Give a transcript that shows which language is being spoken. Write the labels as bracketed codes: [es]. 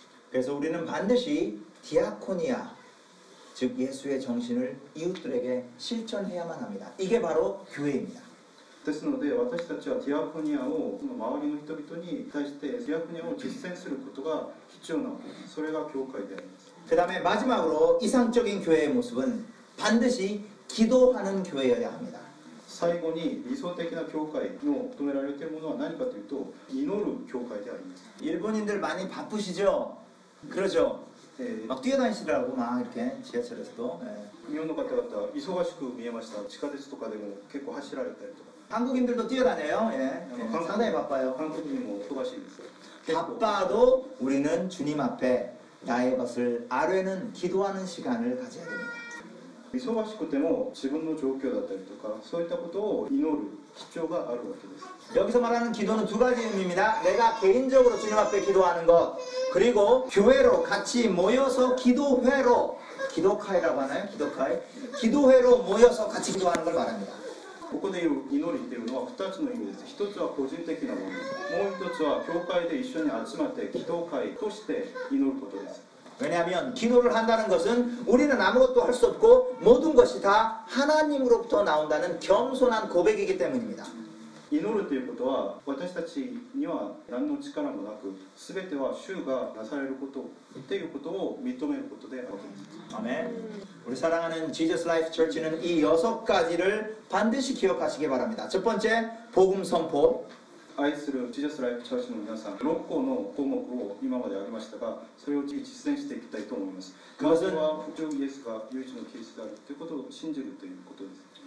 [ko] 그래서우리는반드시디아코니아즉예수의정신을이웃들에게실천해야만합니다이게바로교회입니다 [ja] ですので私たちはディアコニアをその周りの人々に対してディアコニアを実践することが必要なそれが教会であります [ko] 그다음에마지막으로이상적인교회의모습은반드시기도하는교회여야합니다 [ja] 最後に理想的な教会の求められているものは何かというと祈る教会であります [ko] 일본인들많이바쁘시죠그러죠막뛰어다니시더라고막이렇게지하철에서도 [ja] 日本の方々は忙しく見えました地下鉄とかでも結構走られたりとか [ko] 한국인들도뛰어다녀요예상당히바빠요 [ja] 한국인も忙しいです [ko] 바빠도우리는주님앞에나의것을아뢰는기도하는시간을가져야됩니다 [ja] 忙しくても自分の状況だったりとかそういったことを祈る必要があるわけです [ko] 여기서말하는기도는두가지의미입니다내가개인적으로주님앞에기도하는것그리고교회로같이모여서기도회로기도카이라고하나요기도카이기도회로모여서같이기도하는걸말합니다 [ja] ここで祈りっていうのは2つの意味です1つは個人的なものですもう1つは教会で一緒に集まって祈祷会として祈ることです [ko] 왜냐하면기도를한다는것은우리는아무것도할수없고모든것이다하나님으로부터나온다는겸손한고백이기때문입니다 [ja] 祈るということは私たちには何の力もなく全ては主がなされることということを認めることである [ko] アメン우리사랑하는 Jesus Life Church 는이여섯가지를반드시기억하시기바랍니다첫번째복음선포 [ja] 愛するジーザスライフチャーチの皆さん、6個の項目を今まで挙げましたが、それを実践していきたいと思います。まずは福音イエスが唯一のキリストであるということを信じるということです。